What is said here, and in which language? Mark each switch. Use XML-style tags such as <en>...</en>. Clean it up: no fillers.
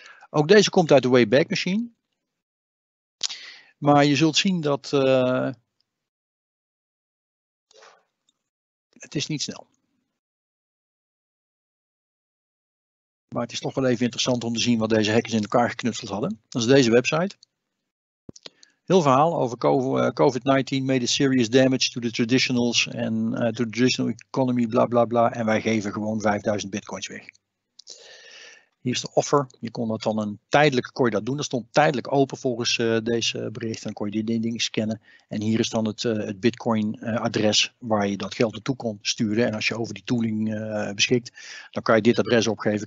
<nl>Ook deze komt uit de Wayback Machine. Maar je zult zien dat het is niet snel. Maar het is toch wel even interessant om te zien wat deze hackers in elkaar geknutseld hadden. Dat is deze website. Heel verhaal over</nl> <en>COVID-19 made a serious damage to the traditionals and to the traditional economy, bla bla bla.</en> <nl>En wij geven gewoon 5000 bitcoins weg. Hier is de offer. Je kon dat dan kon je dat doen. Dat stond tijdelijk open volgens deze bericht. Dan kon je die dingen scannen. En hier is dan het bitcoin adres waar je dat geld naartoe kon sturen. En als je over die tooling beschikt, dan kan je dit adres opgeven.</nl>